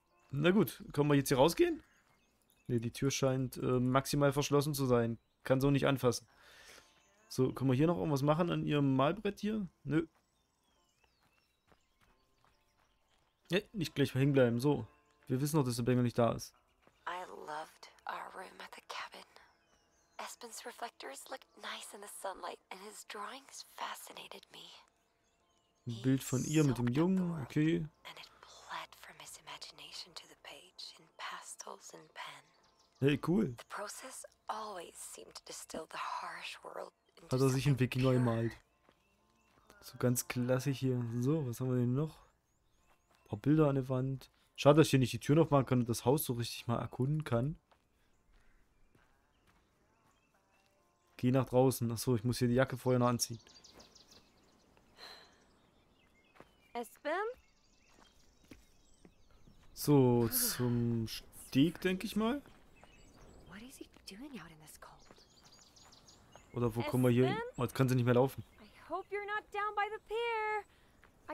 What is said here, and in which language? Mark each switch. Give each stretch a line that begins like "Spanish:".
German: Na gut, können wir jetzt hier rausgehen? Ne, die Tür scheint maximal verschlossen zu sein. Kann so nicht anfassen. So, können wir hier noch irgendwas machen an ihrem Malbrett hier? Nö. Ja, nicht gleich mal hinbleiben, so. Wir wissen doch, dass der Bengel nicht da ist.
English: I loved our room at the cabin. Espen's reflectors looked nice in the sunlight and his drawings fascinated me.
German: Ein Bild von ihr mit dem Jungen, okay.
English: And it bled from his imagination to the page in pastels and pen. Hey, cool. The process always seemed to distill the harsh world.
German: Hat er sich ein Wiki neu gemalt. So ganz klassisch hier. So, was haben wir denn noch? Ein paar Bilder an der Wand. Schade, dass ich hier nicht die Tür noch machen kann und das Haus so richtig mal erkunden kann. Geh nach draußen. Achso, ich muss hier die Jacke vorher noch anziehen. Espen? So, zum Steg, denke ich mal. Was ist er denn hier in diesem Kalt? Oder wo kommen wir hier? Oh, jetzt kann sie nicht mehr laufen.
English: I hope you're not down by the pier.